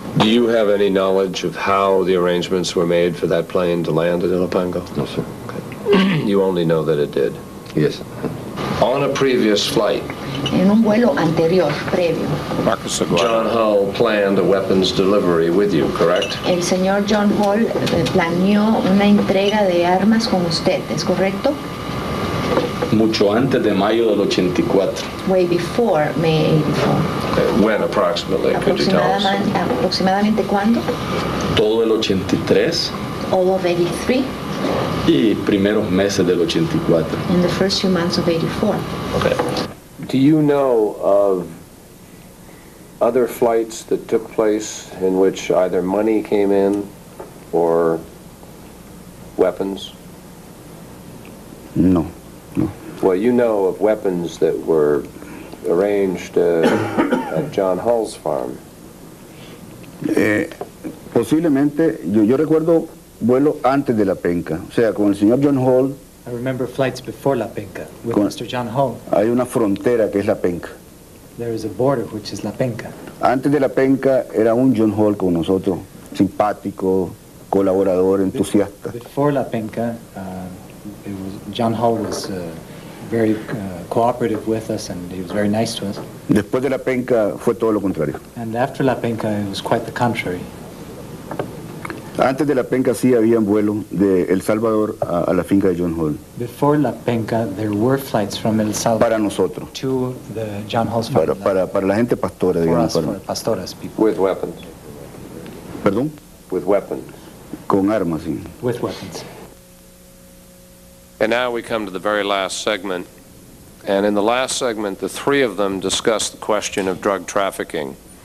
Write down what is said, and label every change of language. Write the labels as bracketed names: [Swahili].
[English] Do you have any knowledge of how the arrangements were made for that plane to land at Ilopango? No, sir. Okay. You only know that it did? Yes. On a previous flight, [Spanish] en un vuelo anterior, previo, [English] Marcus Aguilar, John Hull planned a weapons delivery with you, correct? [Spanish] El señor John Hull planeó una entrega de armas con usted, ¿es correcto? Mucho antes de mayo del 84. [English] Way before May 84. When approximately, could you tell us? [Spanish] Aproximadamente cuándo? Todo el 83. [English] All of 83. [Spanish] Y primeros meses del 84. [English] In the first few months of 84. Okay. Do you know of other flights that took place in which either money came in or weapons? No. Well, you know of weapons that were arranged at John Hull's farm. [Spanish] Posiblemente, yo recuerdo vuelo antes de La Penca, o sea, con el señor John Hull. [English] I remember flights before La Penca with Mr. John Hull. [Spanish] Hay una frontera que es La Penca. [English] There is a border which is La Penca. [Spanish] Antes de La Penca era un John Hull con nosotros, simpático, colaborador, entusiasta. [English] Before La Penca, it was John Hull was very cooperative with us, and he was very nice to us. [Spanish] Después de La Penca fue todo lo contrario. [English] And after La Penca, it was quite the contrary. [Spanish] Antes de La Penca sí había vuelos de El Salvador a la finca de John Hull. [English] Before La Penca, there were flights from El Salvador. [Spanish] Para nosotros. [English] To the John Hull's farm. [Spanish] Para la gente pastora, [English] for [Spanish] digamos. [English] Us, for the pastoras people. With weapons. [Spanish] Perdón. [English] With weapons. [Spanish] Con armas, sí. [English] With weapons. And now we come to the very last segment. And in the last segment, the three of them discuss the question of drug trafficking.